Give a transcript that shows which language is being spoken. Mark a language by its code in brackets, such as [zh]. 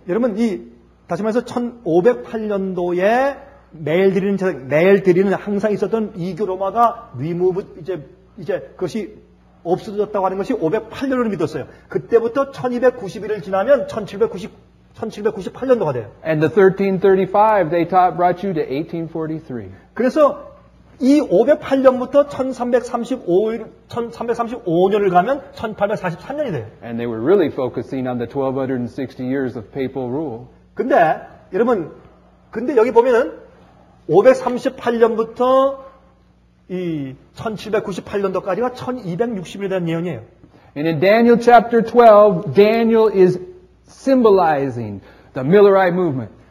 [ko] 여러분 이 다시 말해서 1508년도에 매일 드리는 제사, 매일 드리는 항상 있었던 이교 로마가 리무브 이제 그것이 없어졌다고 하는 것이 508년을 믿었어요. 그때부터 1291을 지나면 1798년도가 돼요. [en] And the 1335 they taught brought you to 1843. [ko] 그래서 이 508년부터 1335년을 가면 1843년이 돼요. [en] And they were really focusing on the 1260 years of papal rule. [ko] 근데 여러분 근데 여기 보면은 538년부터 이 1798년도까지가 1260년에 대한 예언이에요. [en] And in Daniel chapter 12, Daniel is symbolizing the Millerite movement.